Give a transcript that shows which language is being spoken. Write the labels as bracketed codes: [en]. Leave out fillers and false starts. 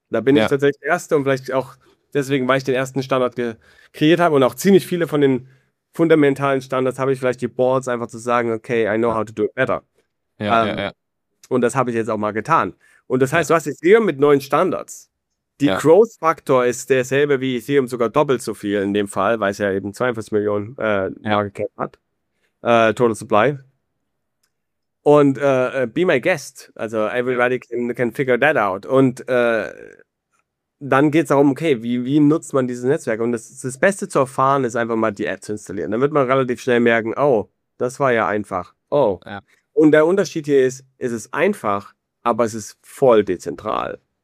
[de] Da bin ich tatsächlich der Erste und vielleicht auch deswegen, weil ich den ersten Standard kreiert habe und auch ziemlich viele von den fundamentalen Standards, habe ich vielleicht die Balls einfach zu sagen, okay, [en] I know how to do it better. [de] Und das habe ich jetzt auch mal getan. Und das heißt, du hast Ethereum mit neuen Standards. Die Growth-Faktor ist derselbe wie Ethereum, sogar doppelt so viel in dem Fall, weil es ja eben 42 Millionen Market Cap hat. [en] Total Supply. Und be my guest. Also everybody can figure that out. [de] Und dann geht es darum, okay, wie nutzt man dieses Netzwerk? Und das Beste zu erfahren, ist einfach mal die App zu installieren. Dann wird man relativ schnell merken, oh, das war ja einfach. Oh. Ja. Und der Unterschied hier ist, es ist einfach, aber es ist voll dezentral.